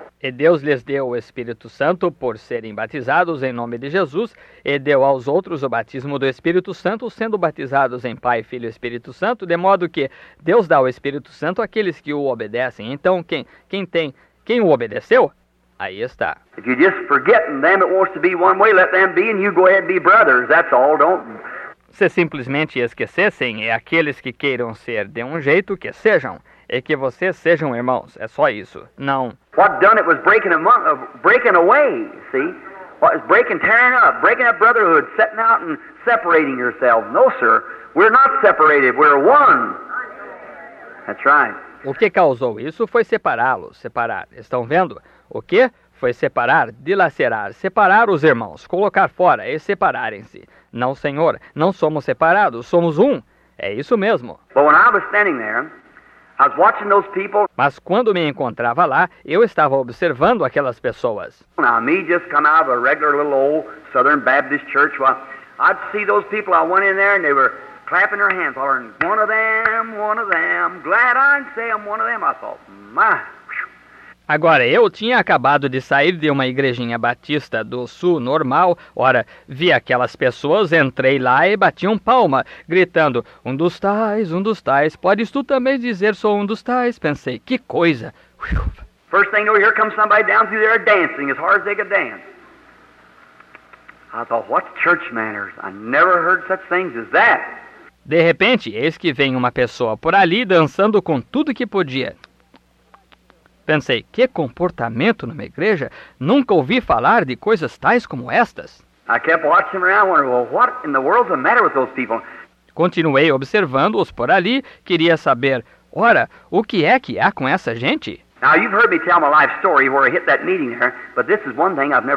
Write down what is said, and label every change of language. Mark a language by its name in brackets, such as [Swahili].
[Portuguese] E Deus lhes deu o Espírito Santo por serem batizados em nome de Jesus, e deu aos outros o batismo do Espírito Santo, sendo batizados em Pai, Filho e Espírito Santo, de modo que Deus dá o Espírito Santo àqueles que o obedecem. Então quem o obedeceu? Aí está. [English] If you just forget them, it wants to be one way. Let them be, and you go ahead and be brothers. That's all. Don't. [Portuguese] Se simplesmente esquecessem, e aqueles que queiram ser de um jeito, que sejam. e que vocês sejam irmãos. É só isso. Não. [English] What done it was breaking among, breaking away, see? What is breaking, tearing up brotherhood, setting out and separating yourself. No, sir. We're not separated. We're one. That's right. [Portuguese] O que causou isso foi separá-los, separar. Estão vendo? O que? Foi separar, dilacerar, separar os irmãos, colocar fora e separarem-se. Não, senhor, não somos separados, somos um. É isso mesmo. [English] But when I was standing there, I was watching those people. [Portuguese] Mas quando me encontrava lá, eu estava observando aquelas pessoas. [English] Now, me just come out of a regular little old Southern Baptist church. Well, I'd see those people, I went in there and they were clapping their hands, hollering, one of them, glad I'd say I'm one of them. I thought, my... [Portuguese] Agora, eu tinha acabado de sair de uma igrejinha batista do sul normal, ora, vi aquelas pessoas, entrei lá e bati um palma, gritando, um dos tais, podes tu também dizer sou um dos tais? Pensei, que coisa! [English] First thing you know, here comes somebody down through there dancing, as hard as they could dance. I thought, what's church manners? I never heard such things as that. [Portuguese] De repente, eis que vem uma pessoa por ali dançando com tudo que podia. Pensei, que comportamento numa igreja? Nunca ouvi falar de coisas tais como estas. [English] I kept watching around, wondering, well, what in the world's the matter with those people? [Portuguese] Continuei observando-os por ali, queria saber, ora, o que é que há com essa gente? [English] Now, you've heard me tell my life story where I hit that meeting there, but this is one thing I've never...